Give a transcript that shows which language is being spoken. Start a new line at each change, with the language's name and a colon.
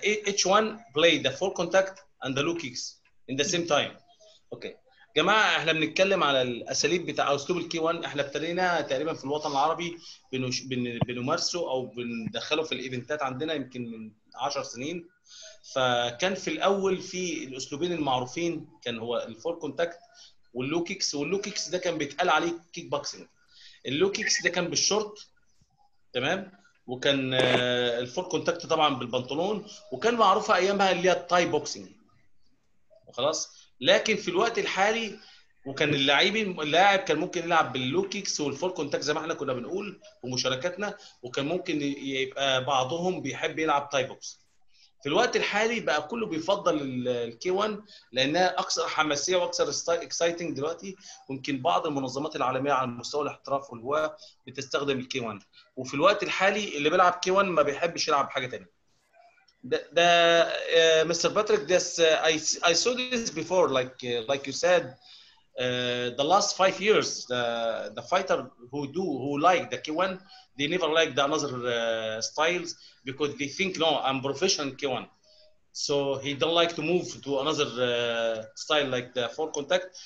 English: Each one played the full contact and the low kicks in the same time.
Arabic: Okay. جماعة احنا بنتكلم على الاساليب بتاع اسلوب الكي 1. احنا ابتدينا تقريبا في الوطن العربي بنمارسه او بندخله في الايفنتات عندنا يمكن من 10 سنين. فكان في الاول في الاسلوبين المعروفين، كان هو الفول كونتاكت واللو كيكس. واللو كيكس ده كان بيتقال عليه كيك بوكسنج. اللو كيكس ده كان بالشورت، تمام، وكان الفول كونتاكت طبعا بالبنطلون، وكان معروفه ايامها اللي هي التاي بوكسنج وخلاص. لكن في الوقت الحالي، وكان اللاعب كان ممكن يلعب باللو كيكس والفول كونتاكت زي ما احنا كنا بنقول ومشاركاتنا، وكان ممكن يبقى بعضهم بيحب يلعب تاي بوكس. في الوقت الحالي بقى كله بيفضل الكي 1 لانها اكثر حماسيه واكثر اكسايتنج دلوقتي. ويمكن بعض المنظمات العالميه على مستوى الاحتراف والهواه بتستخدم الكي 1، وفي الوقت الحالي اللي بيلعب كي 1 ما بيحبش يلعب حاجه ثانيه.
English: ده mister Patrick, ده I saw this before, like you said the last 5 years the fighter who do who like the K1 they never like the other styles because they think no I'm professional K1 so he don't like to move to another style like the four contact.